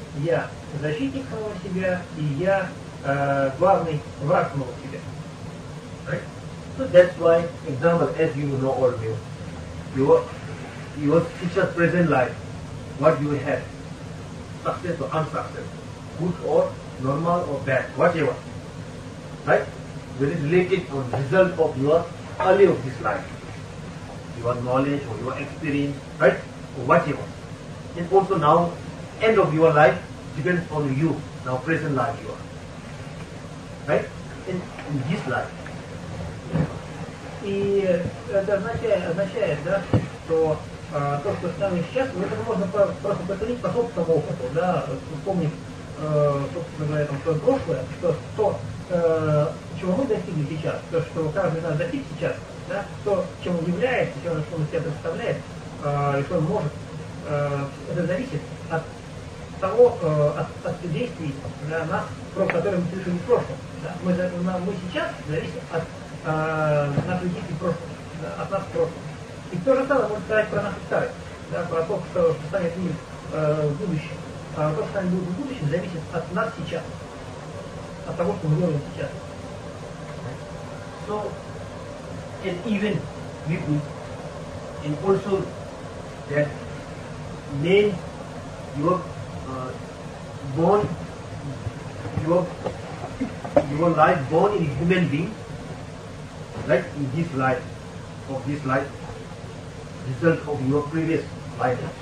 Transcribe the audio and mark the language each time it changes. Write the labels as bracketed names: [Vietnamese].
[Russian] Я защитник самого себя, и я главный враг самого себя. [English] Right? So that's why, example, as you know all of you, your teacher's present life, what you have, success or unsuccess, good or normal or bad, whatever. Right? Will it related to the result of your early of this life, your knowledge or your experience, right? Or whatever. And also now, end of your life, depends on you, now present life you are. Right? In this life. [Russian] И это означает, да, что то, что с нами сейчас, это можно просто повторить по собственному опыту, да, вспомнить, собственно говоря, то прошлое, что то, чего мы достигли сейчас, то, что каждый нас достиг сейчас, да, то, чем он является, чем он себя представляет, и что он может, это зависит от того, от действий для нас, про которые мы слышали в прошлом. Да? Мы сейчас зависим от наших действий в прошлом, да? От нас в прошлом. И то же самое можно сказать про наших старых, да? Про то, что станет мир будущем. А то, что они будут в будущем, зависит от нас сейчас. От того, что мы делаем сейчас. So, and even we could, and also that name your born, your life born in a human being, right, in this life, of this life, result of your previous life.